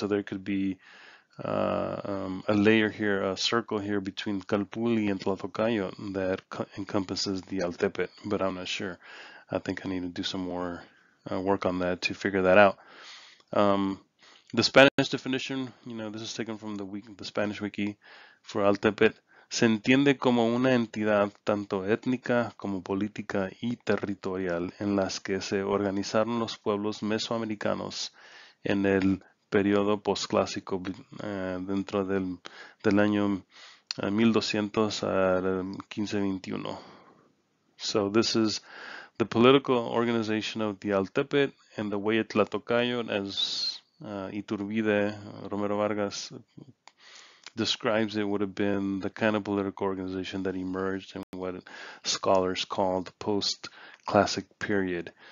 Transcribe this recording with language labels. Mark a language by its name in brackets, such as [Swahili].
[English] So there could be a layer here, a circle here between Calpuli and Tlatocayo that encompasses the Altepet, but I'm not sure. I think I need to do some more work on that to figure that out. The Spanish definition, you know, this is taken from the Spanish wiki for Altepet. [Spanish] Se entiende como una entidad tanto étnica como política y territorial en las que se organizaron los pueblos mesoamericanos en el periodo postclásico dentro del año 1200 al 1521. [English] So this is the political organization of the Altepet and the Huetlatocayo, as Iturbide, Romero Vargas describes it, would have been the kind of political organization that emerged in what scholars call the post-classic period